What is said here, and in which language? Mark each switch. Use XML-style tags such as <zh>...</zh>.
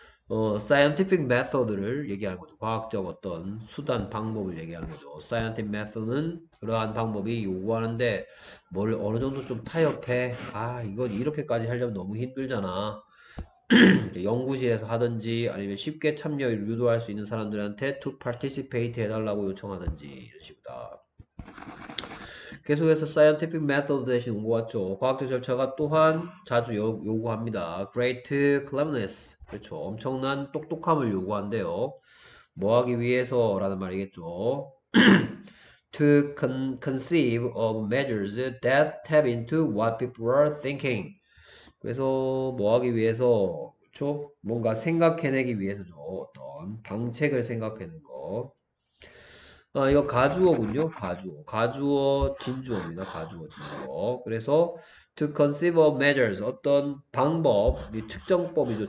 <ko>scientific method를 얘기하는 거죠 과학적 어떤 수단 방법을 얘기하는 거죠 scientific method는 그러한 방법이 요구하는데 뭘 어느 정도 좀 타협해 아 이건 이렇게까지 하려면 너무 힘들잖아 연구실에서 하든지 아니면 쉽게 참여를 유도할 수 있는 사람들한테</ko> <en>to participate</en> <ko>해달라고 요청하든지 이런 식이다. 계속해서 scientific method 대신 온것 같죠. 과학적 절차가 또한 자주 요구합니다.</ko> <en>Great cleverness,</en> <ko>그렇죠. 엄청난 똑똑함을 요구한대요. 뭐 하기 위해서라는 말이겠죠.</ko> <en>to conceive of measures that tap into what people are thinking.</en> <ko>그래서 뭐 하기 위해서 그렇죠? 뭔가 생각해내기 위해서죠 어떤 방책을 생각하는 거. 아 이거 가주어군요. 가주어, 가주어 진주어입니다. 가주어 진주어. 그래서</ko> <en>to conceive of measures</en> <ko>어떤 방법, 이 측정법이죠.</ko>